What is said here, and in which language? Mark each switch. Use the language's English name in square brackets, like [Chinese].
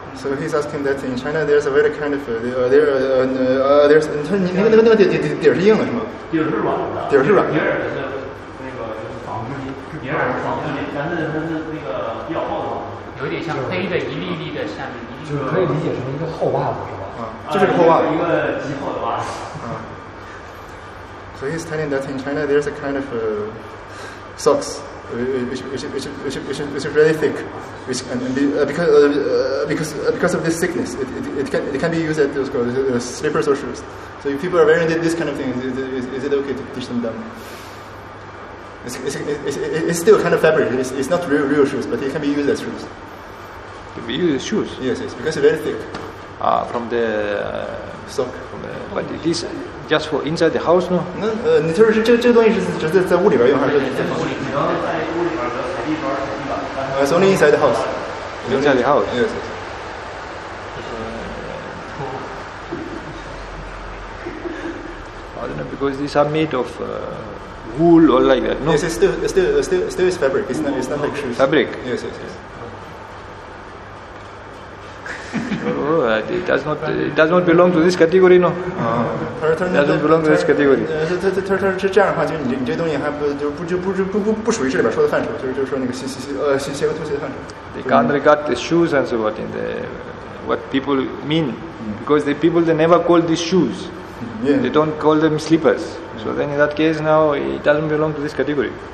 [English] So he's asking that in China there's a very kind of there's [Chinese] 你说你那个底是硬的是吗？底是软的。底是软。底儿是那个就是纺织机，底儿是纺织机，但是它是那个比较厚的袜子，有点像黑的一粒粒的下面一粒。就是可以理解成一个厚袜子。这是个厚袜，一个极厚的袜子。 [English] So he's telling that in China there's a kind of socks which is really thick, which can because of this thickness, it can be used as slippers or shoes. So if people are wearing this kind of thing, is it okay to teach them them? It's still kind of fabric. It's not real shoes, but it can be used as shoes. Can be used as shoes. Yes, yes, because it's very thick. From the sock, but it is just for inside the house, no? [Chinese] 那你就是这东西是只是在屋里边用还是在房里？然后在屋里边的踩地砖、踩地板。 [English] It's only inside the house. Inside the house. Yes. ordinary, because these are made of wool or like that. No, yes, it's still is fabric. It's not like shoes. Fabric. Yes. Oh, it does not belong to this category, no. It doesn't belong to this category. [Chinese] 他这样的话，就你这东西还不属于这里边说的范畴，就是说那个鞋和拖鞋的范畴。They [English] can't regard the shoes and so what in the. What people mean, because the people they never call these shoes, they don't call them slippers. So then in that case, now it doesn't belong to this category.